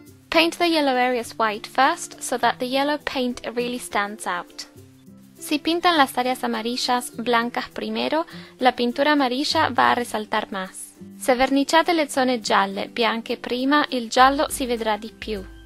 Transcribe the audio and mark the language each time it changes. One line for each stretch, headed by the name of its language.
English: Paint the yellow areas white first so that the yellow paint really stands out.
Spanish: Si pintan las áreas amarillas blancas primero, la pintura amarilla va a resaltar más.
Italian: Se verniciate le zone gialle bianche prima, il giallo si vedrà di più.